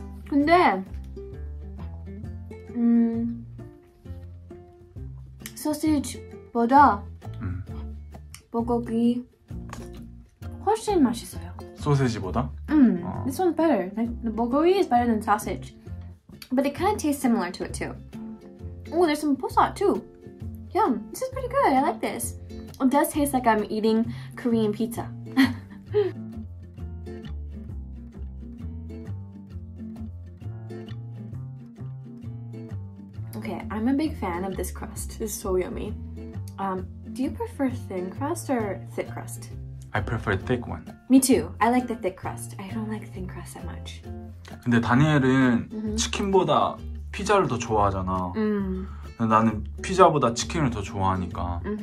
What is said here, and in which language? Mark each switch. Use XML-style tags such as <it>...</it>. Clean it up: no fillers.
<ko>근데 소시지보다 불고기 훨씬 맛있어요. 소시지보다?</ko> <en>This one's better. The bulgogi is better than sausage. But it kind of tastes similar to it too. Oh, there's some boursat too. Yum. This is pretty good. I like this. It does taste like I'm eating Korean pizza. Okay, I'm a big fan of this crust. It's so yummy. Do you prefer thin crust or thick crust? I prefer thick one. Me too. I like the thick crust. I don't like thin crust that much.</en> <ko>근데 다니엘은 치킨보다 피자를 더 좋아하잖아. 나는 피자보다 치킨을 더 좋아하니까.</ko>